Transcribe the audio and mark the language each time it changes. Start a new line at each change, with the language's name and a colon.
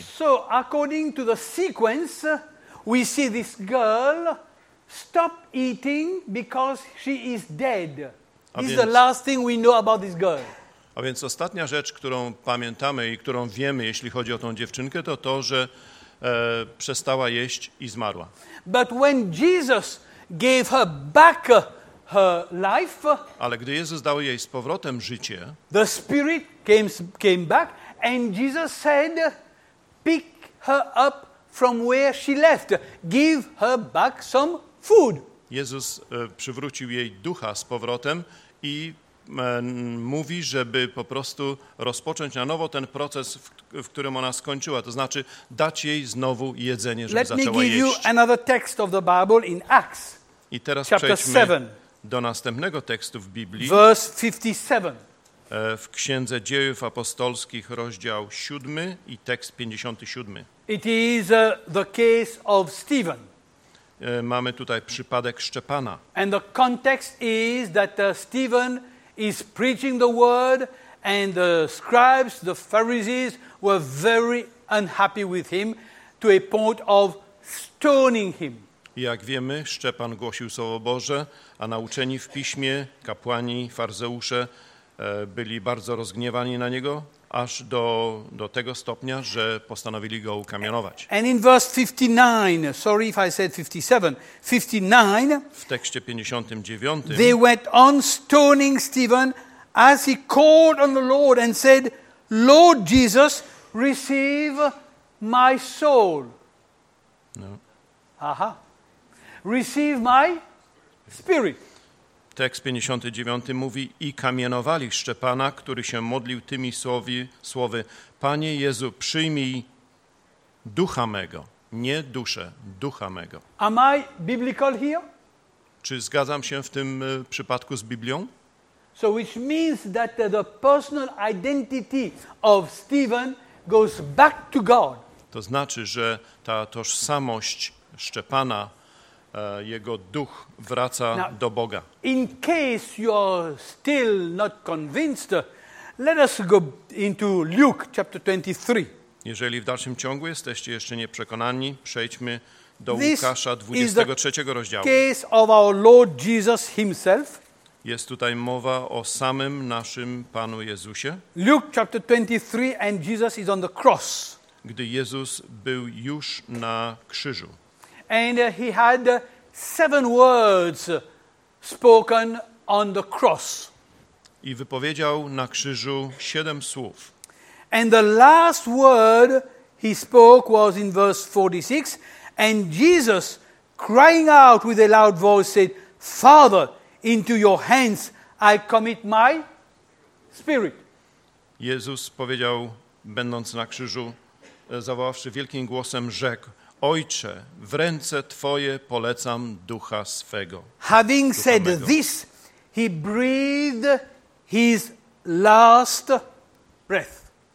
English: So according to the sequence, we see this girl stop eating because she is dead. This is the last thing we know about this girl.
Polish: A więc ostatnia rzecz, którą pamiętamy i którą wiemy, jeśli chodzi o tą dziewczynkę, to to, że przestała jeść i zmarła.
English: But when Jesus gave her back her life,
Polish: ale gdy Jezus dał jej z powrotem życie,
English: the spirit came back and Jesus said, pick her up from where she left. Give her back some food.
Polish: Jezus przywrócił jej ducha z powrotem i mówi, żeby po prostu rozpocząć na nowo ten proces, w którym ona skończyła, to znaczy dać jej znowu jedzenie, żeby zaczęła jeść.
English: Let me give you another text of the Bible in Acts.
Polish: I teraz przejdźmy do następnego tekstu w Biblii.
English: Verse 57.
Polish: W Księdze Dziejów Apostolskich, rozdział 7 i tekst 57.
English: It is the case of Stephen.
Polish: Mamy tutaj przypadek Szczepana.
English: And the context is that Stephen is preaching the word and the scribes, the Pharisees, were very unhappy with him to a point of stoning him.
Polish: Jak wiemy, Szczepan głosił Słowo Boże, a nauczeni w Piśmie, kapłani, farzeusze, byli bardzo rozgniewani na niego, aż do tego stopnia, że postanowili go ukamienować.
English: And in verse 59, sorry if I said 57, 59,
Polish: w tekście 59,
English: they went on stoning Stephen as he called on the Lord and said, Lord Jesus, receive my soul. No. Aha. Receive my spirit.
Polish: Tekst 59 mówi, i kamienowali Szczepana, który się modlił tymi słowy, Panie Jezu, przyjmij ducha mego, nie duszę, ducha mego.
English: Am I biblical here?
Polish: Czy zgadzam się w tym przypadku z Biblią?
English: So which means that the personal identity of Stephen goes back to God.
Polish: To znaczy, że ta tożsamość Szczepana, jego duch wraca
English: now,
Polish: do Boga.
English: In case you are still not convinced, let us go into Luke chapter 23.
Polish: Jeżeli w dalszym ciągu jesteście jeszcze nie przekonani, przejdźmy do Łukasza 23 rozdziału.
English: Case of our Lord Jesus himself.
Polish: Jest tutaj mowa o samym naszym Panu Jezusie.
English: Luke chapter 23 and Jesus is on the cross.
Polish: Gdy Jezus był już na krzyżu.
English: And he had seven words spoken on the cross.
Polish: I wypowiedział na krzyżu siedem słów.
English: And the last word he spoke was in verse 46. And Jesus, crying out with a loud voice, said, Father, into your hands I commit my spirit.
Polish: Jezus powiedział, będąc na krzyżu, zawoławszy wielkim głosem, rzekł, Ojcze, w ręce Twoje polecam ducha swego.
English: Having
Polish: ducha
English: said
Polish: mego.
English: This, he breathed his last breath.